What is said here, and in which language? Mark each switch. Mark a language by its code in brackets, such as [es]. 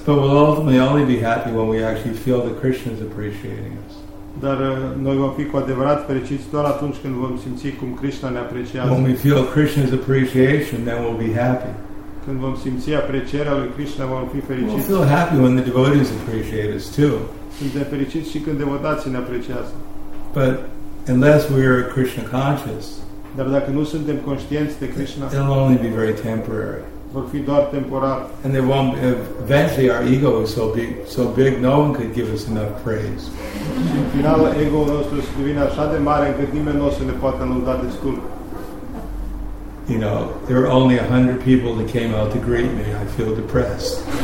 [en] But we'll ultimately only be happy when we actually feel that Krishna is appreciating us. [ro] Dar noi vom fi cu adevărat fericiți doar atunci când vom simți cum Krishna ne apreciază. [en] When we feel Krishna's appreciation, then we'll be happy. [ro] Când vom simți aprecierea lui Krishna, vom fi fericiți. [en] We'll feel happy when the devotees appreciate us too. [ro] Suntem fericiți și când devotații ne apreciază. [en] But unless we are Krishna conscious, [ro] dar dacă nu suntem conștienți de Krishna, [en] it'll only be very temporary. [ro] Vor fi doar temporar. [en] And they won't. Eventually, our ego is so big, no one could give us enough praise. [ro] În final, ego-ul nostru se devine așa de mare încât nimeni nu se ne poate lăuda destul. [en] You know, there are only 100 people that came out to greet me. I feel depressed.